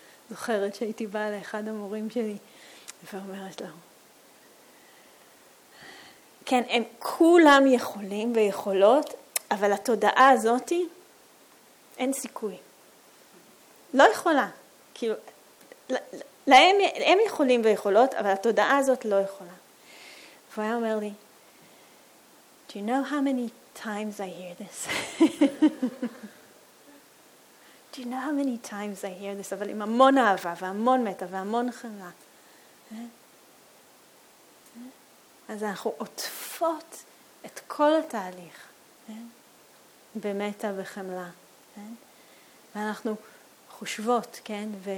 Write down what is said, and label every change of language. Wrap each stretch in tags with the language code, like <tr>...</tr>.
<he>זוכרת שהייתי באה לאחד המורים שלי ואומרת לו, כן, הם כולם יכולים ויכולות, אבל התודעה הזאת אין סיכוי. לא יכולה. כאילו, הם יכולים ויכולות, אבל התודעה הזאת לא יכולה. והוא היה אומר לי,</he> <en>Do you know how many times I hear this? Do you know how many times I hear this?</en> <he>אבל עם המון אהבה והמון מתה והמון חמלה. אז אנחנו עוטפות את כל התהליך, כן? במטה וחמלה, כן? ואנחנו חושבות, כן?</he>